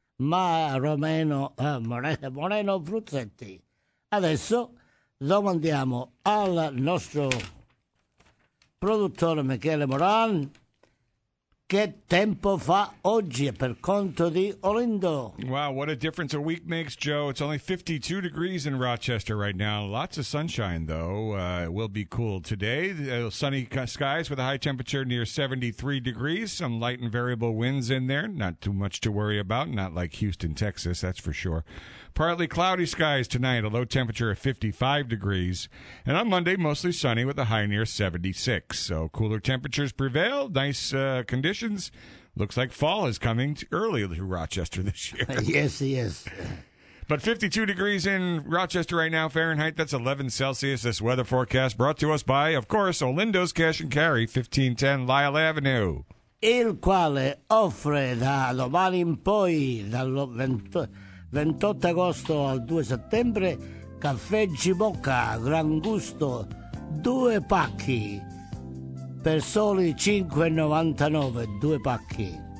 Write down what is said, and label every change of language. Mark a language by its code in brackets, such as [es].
[it] Ma Romeno, Moreno Fruzzetti, adesso domandiamo al nostro produttore Michele Moran che tempo fa oggi per conto di Olindo. [en] Wow, what a difference a week makes, Joe. It's only 52 degrees in Rochester right now. Lots of sunshine, though. It will be cool today. Sunny skies with a high temperature near 73 degrees. Some light and variable winds in there. Not too much to worry about. Not like Houston, Texas, that's for sure. Partly cloudy skies tonight. A low temperature of 55 degrees. And on Monday, mostly sunny with a high near 76. So cooler temperatures prevail. Nice conditions. Looks like fall is coming early to Rochester this year. Yes, yes. But 52 degrees in Rochester right now, Fahrenheit. That's 11 Celsius. This weather forecast brought to us by, of course, Olindo's Cash and Carry, 1510 Lyle Avenue. [it] Il quale offre da domani in poi, dal 28 agosto al 2 settembre, caffè Gibocca, gran gusto, due pacchi. Per soli $5.99, due pacchi.